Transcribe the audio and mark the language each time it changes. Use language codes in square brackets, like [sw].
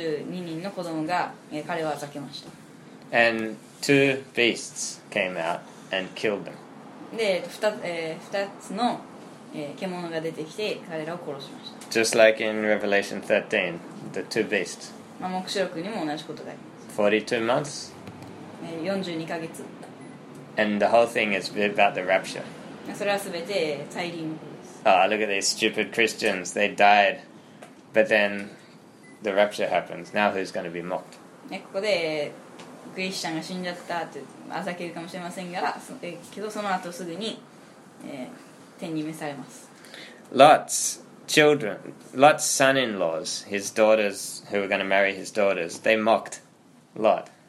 [ja] エリシャが手に入れられた時に、エリシャに対して42人の子供が彼を叫びました。 [en] And two beasts came out and killed them. [ja] で、2つの獣が出てきて彼らを殺しました。 [en] Just like in Revelation 13, the two beasts. [ja] まあ、黙示録にも同じことがあります。 [en] 42 months. [ja] 42 ヶ月。 [en] And the whole thing is about the rapture. [ja] それはすべて再臨です。 [en] Look at these stupid Christians. They died. But then the rapture happens. Now who's going to be mocked? [ja] ここでクリスチャンが死んじゃったって嘲けるかもしれませんが、けどその後すぐに天に召されます。 [en] Lot's son-in-laws, his daughters, who were going to marry his daughters, they mocked Lot.